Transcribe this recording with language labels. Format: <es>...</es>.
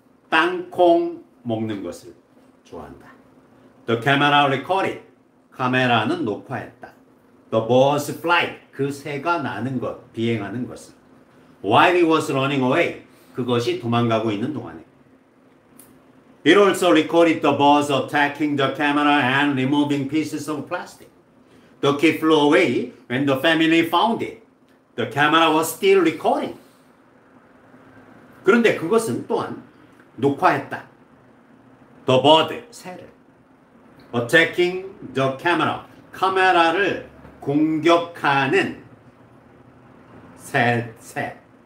<ko>땅콩 먹는 것을 좋아한다.</ko> <en>The camera recorded.</en> <ko>카메라는 녹화했다.</ko> <en>The bird's flight.</en> <ko>그 새가 나는 것, 비행하는 것을.</ko> <en>While he was running away.</en> <ko>그것이 도망가고 있는 동안에.</ko> <en>It also recorded the birds attacking the camera and removing pieces of plastic. The kid flew away when the family found it. The camera was still recording.</en> <ko>그런데 그것은 또한 녹화했다.</ko> <en>The bird,</en> <ko>새를.</ko> <en>Attacking the camera,</en> <ko>카메라를 공격하는 새.</ko>